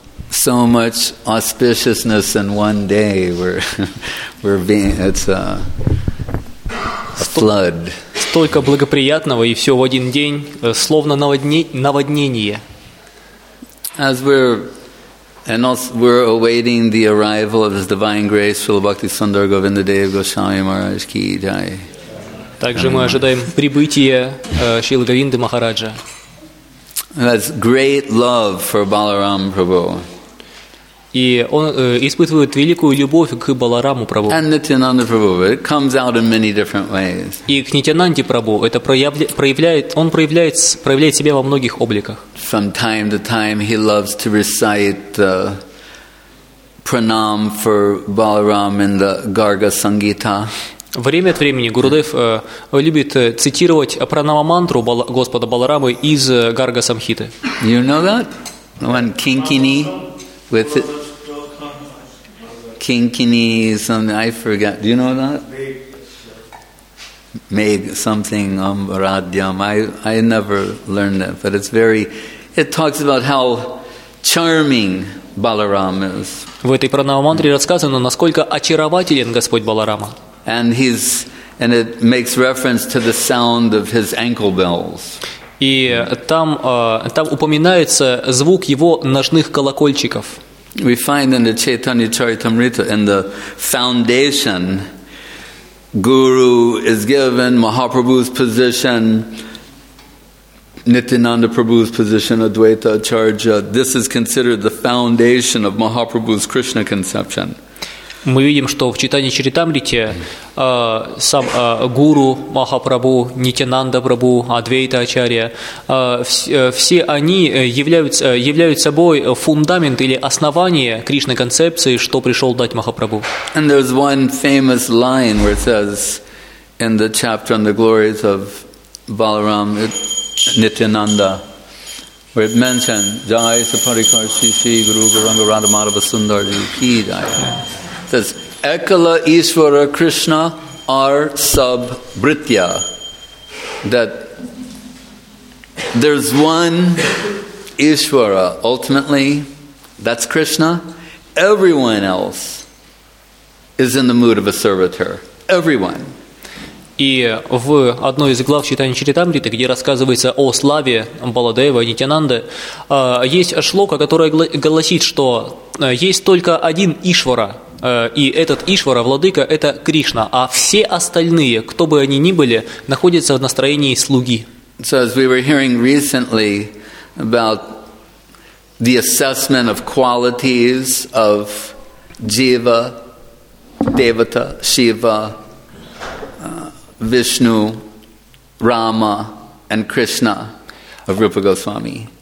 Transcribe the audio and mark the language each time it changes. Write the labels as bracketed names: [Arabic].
[English] So much auspiciousness in one day. It's a flood. [Russian] Столько благоприятного и все в один день, словно наводнение. [English] As we're awaiting the arrival of His Divine Grace, Srila Bhakti Sundar Govindadeva Goswami Maharaj Ki Jai. [Russian] Также мы ожидаем прибытия Шрилы Говинды Махараджа. [English] That's great love for Balaram Prabhu. [Russian] И он испытывает великую любовь к Баларам Прабху. [English] And Nityananda Prabhu, it comes out in many different ways. [Russian] И к Нитянанде Прабху это проявляет себя во многих обликах. [English] From time to time, he loves to recite the pranam for Balaram in the Garga Sangita. [Russian] Время от времени Гурудев любит цитировать пранама-мантру Господа Баларамы из Гарга Самхиты. [English] You know that? When Kinkini with it. Kinkini something, I forget. Do you know that? Made something Amradyam. I never learned that, but it talks about how charming Balaram is. [Russian] В этой пранама-мантре рассказано, насколько очарователен Господь Баларама. [English] And it makes reference to the sound of his ankle bells. [Russian] И там упоминается звук его ножных колокольчиков. [English] We find in the Chaitanya Charitamrita, in the foundation, Guru is given, Mahaprabhu's position, Nityananda Prabhu's position, Advaita Acharya. This is considered the foundation of Mahaprabhu's Krishna conception. [Russian] Мы видим, что в Чайтанья Чаритамрите сам Гуру Махапрабху, Нитянанда Прабху, Адвейта Ачарья, все они являются собой фундамент или основание Кришны концепции, что пришел дать Махапрабху. [English] And there's one famous line where it says in the chapter on the glories of Balaram Nityananda, where it mentioned Jai Saparikar Sisi Guru Guranga Radha Madhava Sundarji Ki Jai. It says, [Bangla] Ekala Ishvara Krishna Ar Sab Britya. [English] That there's one Ishvara, ultimately, that's Krishna. Everyone else is in the mood of a servitor. Everyone. [Russian] И в одной из глав Чайтанья Чаритамриты, где рассказывается о славе Баладева и Нитянанды, есть шлока, которая гласит, что есть только один Ишвара, и этот Ишвара, владыка, это Кришна, а все остальные, кто бы они ни были, находятся в настроении слуги. [English] So as we were hearing recently about the assessment of qualities of Jiva, Devata, Shiva, Vishnu, Rama, and Krishna of Rupa Goswami.